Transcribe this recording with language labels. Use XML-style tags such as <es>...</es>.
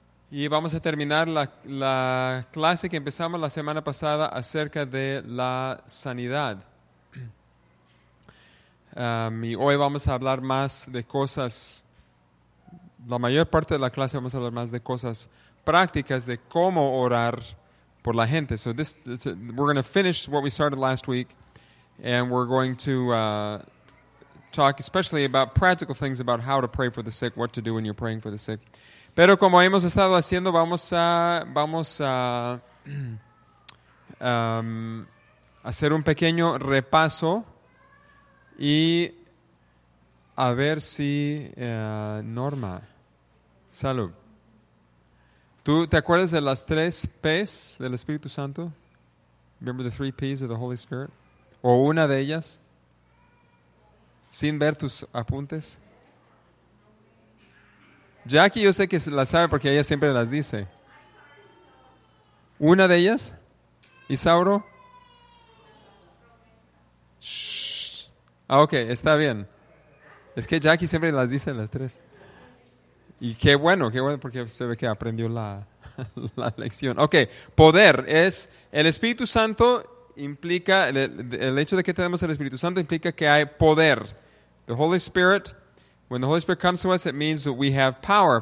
<es>Y vamos a terminar la clase que empezamos la semana pasada acerca de la sanidad. Y hoy vamos a hablar más de cosas, la mayor parte de la clase vamos a hablar más de cosas prácticas, de cómo orar por la gente.</es> <en>So we're going to finish what we started last week, and we're going to talk especially about practical things about how to pray for the sick, what to do when you're praying for the sick.</en> <es>Pero como hemos estado haciendo, vamos a hacer un pequeño repaso y a ver si Norma, salud. ¿Tú te acuerdas de las tres P's del Espíritu Santo?</es> <en>Remember the three P's of the Holy Spirit?</en> <es>¿O una de ellas? ¿Sin ver tus apuntes? Jackie, yo sé que la sabe porque ella siempre las dice. ¿Una de ellas? ¿Isauro? Shh. Ah, ok, está bien. Es que Jackie siempre las dice las tres. Y qué bueno porque usted ve que aprendió la lección. Ok, poder es el Espíritu Santo implica, el hecho de que tenemos el Espíritu Santo implica que hay poder.</es> <en>The Holy Spirit, when the Holy Spirit comes to us, it means that we have power.</en>